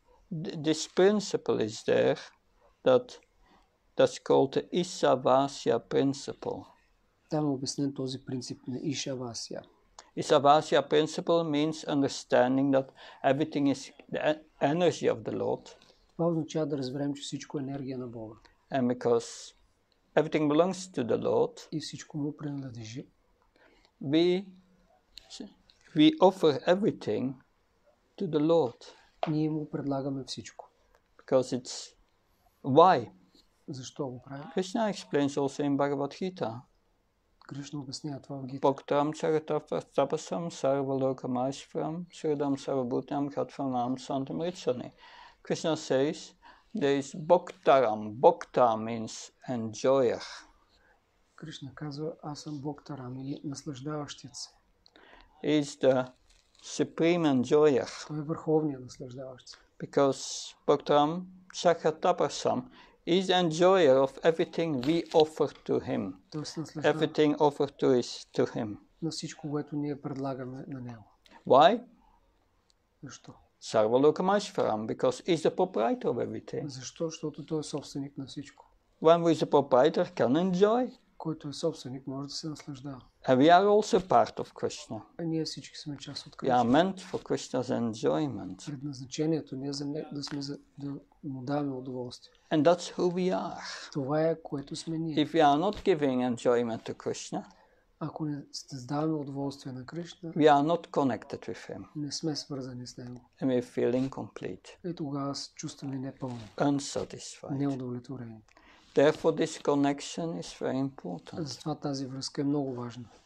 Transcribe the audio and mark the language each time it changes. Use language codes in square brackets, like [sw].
[en] But this principle is there, that's called the Isavasya principle. [bg] Там е обяснен този принцип на Ишавасия. [en] Isavasya principle means understanding that everything is the energy of the Lord. [bg] Това означава да разберем, че всичко е енергия на Бога. [en] And because everything belongs to the Lord. [bg] И всичко му принадлежи. [en] We offer everything to the Lord. [bg] Ние му предлагаме всичко. [en] Because it's why? [bg] Защо го правим? [en] Krishna explains also in Bhagavad Gita. [bg] Кришна обяснява това в Гита. [sa] Бхактам чаратава тапасам сарва лока майшвам шридам сарва бутям хатфанам сантам ричани. [en] Krishna says, there is бхактарам. Бхакта means enjoyer. [bg] Кришна казва, аз съм бхактарам или наслаждаващият се. [en] Is the supreme enjoyer. [bg] Той е върховният наслаждаващ се. [en] Because Bhaktaram Chakratapasam is enjoyer of everything we offer to him. Everything offered to is to him. [bg] На всичко, което ние предлагаме на него. [en] Why? [bg] Защо? [en] Sarva Loka Maheshwaram, because he's the proprietor of everything. [bg] Защо? Защото той е собственик на всичко. [en] One who is the proprietor can enjoy. [bg] Който е собственик, може да се наслаждава. [en] And we are also part of Krishna. [bg] А ние всички сме част от [en] Кришна. We are meant for Krishna's enjoyment. [bg] Предназначението ние да му даваме удоволствие. [en] And that's who we are. [bg] Това е което сме ние. [en] If we are not giving enjoyment to Krishna, [bg] ако не даваме удоволствие на Кришна, [en] we are not connected with him. [bg] Не сме свързани с него. [en] And we feel incomplete. [bg] И тогава се чувстваме непълни. [en] Unsatisfied. [bg] Неудовлетворени. [en] Therefore, this connection is very important. [bg] Затова тази връзка е много важна.